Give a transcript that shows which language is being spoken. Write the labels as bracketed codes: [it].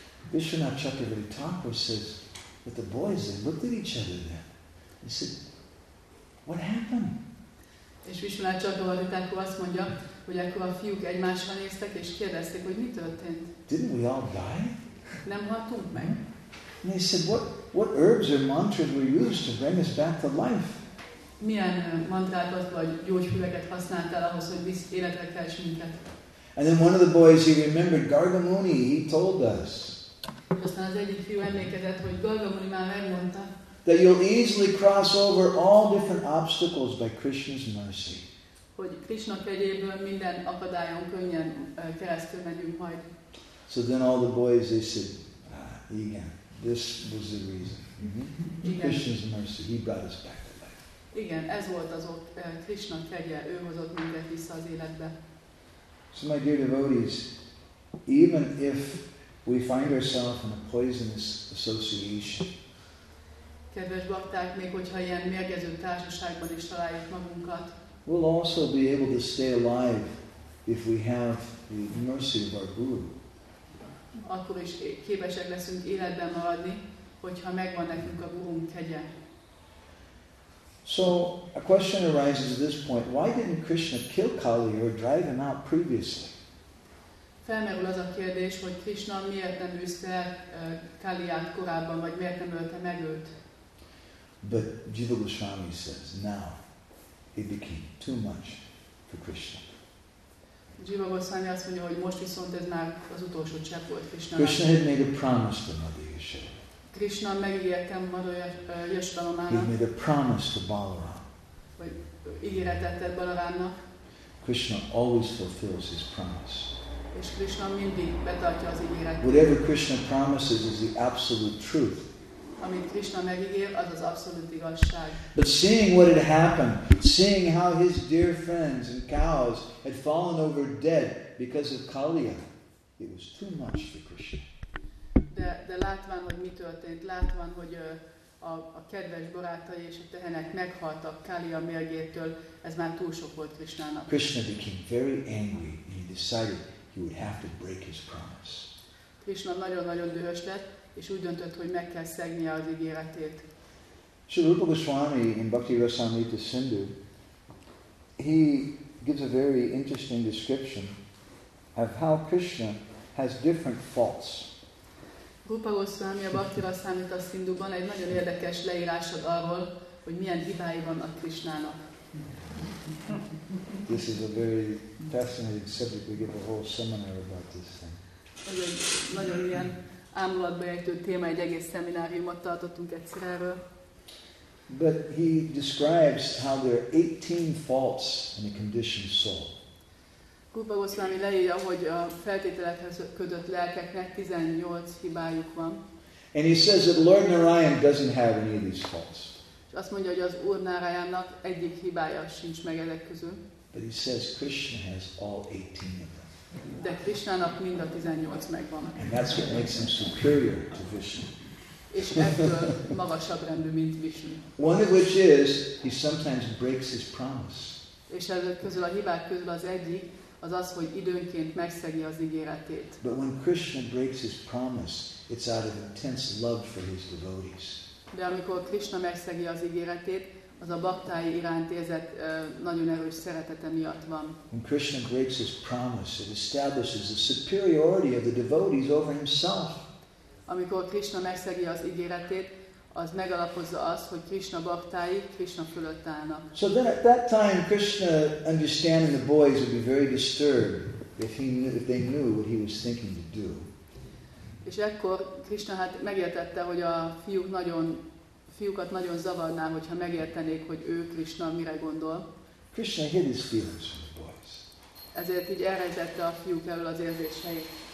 [en] Vishwanath Chakravarti Thakur says that the boys, they looked at each other then. They said, what happened? [hu] És Vishwanath Chakravarti Thakur azt mondja, hogy akkor a fiúk egymásra néztek, és kérdezték, hogy mi történt. [en] Didn't we all die? [hu] Nem haltunk meg. [en] And they said, what herbs or mantras were used to bring us back to life? [hu] Milyen mantrákat vagy gyógyfüveket használtál ahhoz, hogy visz életre kelts minket? [en] And then one of the boys, he remembered Gargamuni, he told us. [hu] Aztán az egyik fiú emlékezett, hogy Gargamuni már megmondta. [en] That you'll easily cross over all different obstacles by Krishna's mercy. [hu] Hogy Krishna kegyéből minden akadályon könnyen keresztül megyünk majd. [en] So then all the boys, they said, ah, igen, this was the reason. Mm-hmm. Krishna's mercy, he brought us back. [hu] Igen, ez volt az ott Krishna kegye, ő hozott minket vissza az életbe. [en] So my dear devotees, even if we find ourselves in a poisonous association, [hu] kedves bakták, még hogyha ilyen mérgező társaságban is találjuk magunkat, [en] we'll also be able to stay alive if we have the mercy of our Guru. [hu] Akkor is képesek leszünk életben maradni, hogyha megvan nekünk a Gurunk kegye. [en] So a question arises at this point: why didn't Krishna kill Kali or drive him out previously? [hu] Felmerül az a kérdés, hogy Krishna miért nem üszte Kaliát korábban, vagy miért nem ölte meg őt? [en] But Jiva Goswami says now it became too much for Krishna. [hu] Jiva Goswami azt mondja, hogy most viszont ez már az utolsó csepp volt Krishna. [en] Krishna had made a promise to Madhyasha. [hu] Krishna megígérte Madhyasvamának. [en] He made a promise to Balaram. [hu] Vagy ígéretet tett Balarámnak. [en] Krishna always fulfills his promise. [hu] És Krishna mindig betartja az ígéretet. [en] Whatever Krishna promises is the absolute truth. [hu] Amit Krishna megígér, az az abszolút igazság. [en] But seeing what had happened, seeing how his dear friends and cows had fallen over dead because of Kaliya, it was too much for Krishna. [hu] De látván, hogy mi történt, látván, hogy a kedves barátai és a tehenek meghaltak Kaliya mérgétől, ez már túl sok volt Krishnának. [en] Krishna became very angry, and he decided he would have to break his promise. [hu] Krishna nagyon-nagyon dühös lett, és úgy döntött, hogy meg kell szegnie az ígéretét. [en] Sri Rupa Goswami in Bhakti Rasamrita Sindhu, he gives a very interesting description of how Krishna has different faults. [hu] Rupa Goswami a Bhakti Rasamrita Sindhuban egy nagyon érdekes leírásod arról, hogy milyen hibái vannak Krishnának. [en] This is a very fascinating subject. We give a whole seminar about this thing. [hu] Ez egy nagyon ilyen ámulatba ejtő téma, egy egész szemináriumot tartottunk egyszer erről. [en] But he describes how there are 18 faults in a conditioned soul. [hu] Rupa Goswami leírja, hogy a feltételekhez kötött lelkeknek 18 hibájuk van. [en] And he says that Lord Narayan doesn't have any of these faults. [hu] És azt mondja, hogy az Úr Narayannak egyik hibája sincs meg ezek közül. [en] But he says Krishna has all 18 of them. [hu] De Krishnának mind a 18 megvan. [en] And that's what makes him superior to Vishnu. [hu] És ettől magasabb rendű, mint Vishnu. [en] One of which is, he sometimes breaks his promise. [hu] És ezek közül a hibák közül az egyik, az az, hogy időnként megszegi az ígéretét. [en] But when Krishna breaks his promise, it's out of intense love for his devotees. [hu] De amikor Krishna megszegi az ígéretét, az a baktái iránt érzett nagyon erős szeretete miatt van. [en] When Krishna breaks his promise, it establishes the superiority of the devotees over himself. [hu] Amikor Krishna megszegi az ígéretét, az megalapozza azt, hogy Krishna baktái Krishna fölött állnak. [en] So then at that time Krishna understanding the boys would be very disturbed if they knew what he was thinking to do. [hu] És ekkor Krishna hát megértette, hogy a fiúkat nagyon zavarná, hogyha megértenék, hogy ő Krishna mire gondol. [en] Krishna hid his feelings from the boys. [hu] Ezért így elrejtette a fiúk elől az érzéseit.